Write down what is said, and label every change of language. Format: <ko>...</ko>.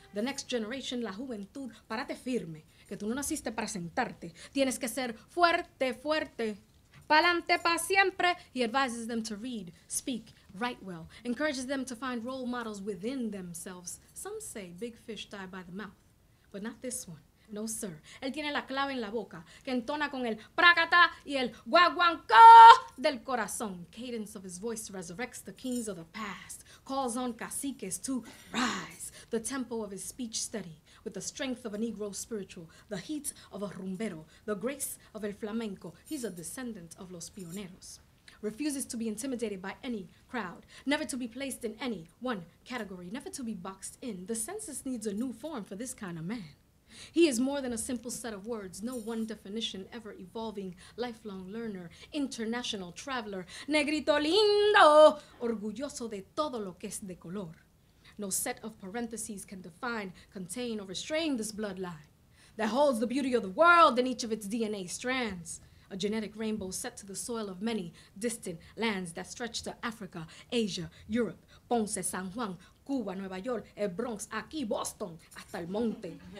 <en>The next generation,</en> <es>la juventud, parate firme, que tú no naciste para sentarte. Tienes que ser fuerte, fuerte. Palante pa siempre,</es> <en>he advises them to read, speak, write well, encourages them to find role models within themselves. Some say big fish die by the mouth, but not this one. No, sir.</en> <es>Él tiene la clave en la boca, que entona con el pracata y el guaguancó del corazón.</es> <en>Cadence of his voice resurrects the kings of the past, calls on caciques to rise. The tempo of his speech steady, with the strength of a Negro spiritual, the heat of a rumbero, the grace of el flamenco. He's a descendant of</en> <es>los pioneros.</es> <en>Refuses to be intimidated by any crowd, never to be placed in any one category, never to be boxed in. The census needs a new form for this kind of man. He is more than a simple set of words, no one definition, ever evolving, lifelong learner, international traveler.</en> <es>Negrito lindo, orgulloso de todo lo que es de color.</es> <en>No set of parentheses can define, contain, or restrain this bloodline that holds the beauty of the world in each of its DNA strands. A genetic rainbow set to the soil of many distant lands that stretch to Africa, Asia, Europe, Ponce, San Juan, Cuba, Nueva York, El Bronx,</en> <es>aquí,</es> <en>Boston,</en> <es>hasta el monte.</es>